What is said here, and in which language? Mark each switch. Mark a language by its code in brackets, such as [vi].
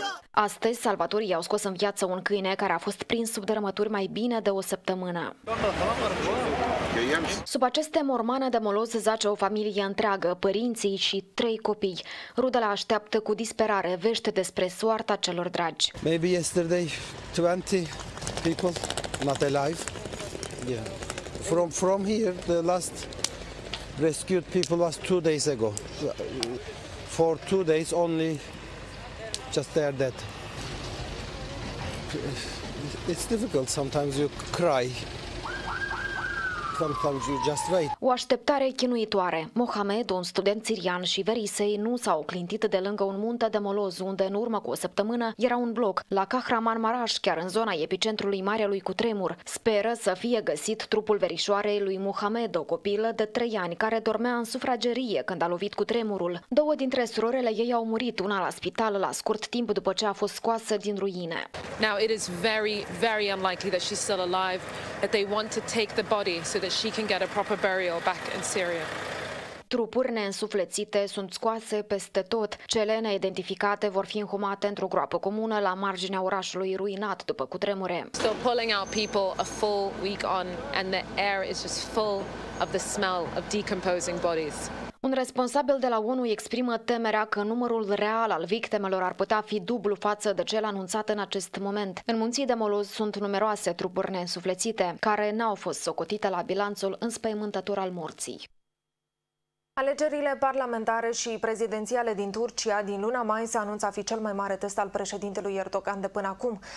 [ro] Astăzi, salvatorii au scos în viață un câine care a fost prins sub dărâmături mai bine de o săptămână. Sub aceste mormane de moloz zace o familie întreagă, părinții și trei copii. Rudele așteaptă cu disperare vești despre soarta celor dragi. [en] Maybe yesterday 20 people not alive. Yeah. From here the last rescued people was 2 days ago. For 2 days only just they are dead. It's difficult. Sometimes you cry. Sometimes you just wait. [ro] O așteptare chinuitoare. Mohamed, un student sirian și Verisei, nu s-au clintit de lângă un munte de moloz, unde în urmă cu o săptămână era un bloc, la Kahraman Maraș, chiar în zona epicentrului marelui cutremur. Speră să fie găsit trupul verișoarei lui Mohamed, o copilă de 3 ani, care dormea în sufragerie când a lovit cutremurul. Două dintre surorele ei au murit, una la spital, la scurt timp după ce a fost scoasă din ruine. [en] Now it is very, very unlikely that she's still alive, that they want to take the body so that she can get a proper burial back in Syria. [ro] Trupuri neînsuflețite sunt scoase peste tot. Cele neidentificate vor fi înhumate într-o groapă comună la marginea orașului ruinat după cutremure. [en] Still pulling out people a full week on and the air is just full of the smell of decomposing bodies. [ro] Un responsabil de la ONU exprimă temerea că numărul real al victimelor ar putea fi dublu față de cel anunțat în acest moment. În munții de moloz sunt numeroase trupuri neînsuflețite, care n-au fost socotite la bilanțul înspăimântător al morții. Alegerile parlamentare și prezidențiale din Turcia din luna mai se anunță a fi cel mai mare test al președintelui Erdogan de până acum.